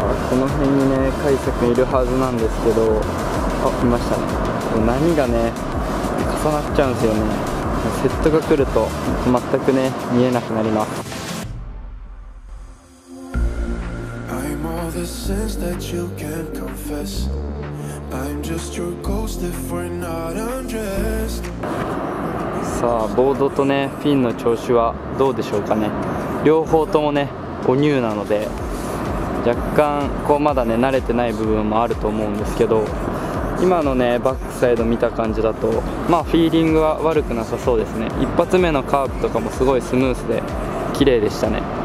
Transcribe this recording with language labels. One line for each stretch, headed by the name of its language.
Japanese: この辺にね、カイサ君いるはずなんですけど、あ、いましたね。波がね、重なっちゃうんですよね。セットが来ると全くね、見えなくなります。
English: Sins that you can't confess. I'm just your ghost if we're not undressed.
Japanese: さあ、ボードとね、フィンの調子はどうでしょうかね。両方ともね、おニューなので若干こうまだね、慣れてない部分もあると思うんですけど、今のね、バックサイド見た感じだと、まあフィーリングは悪くなさそうですね。一発目のカーブとかもすごいスムースで綺麗でしたね。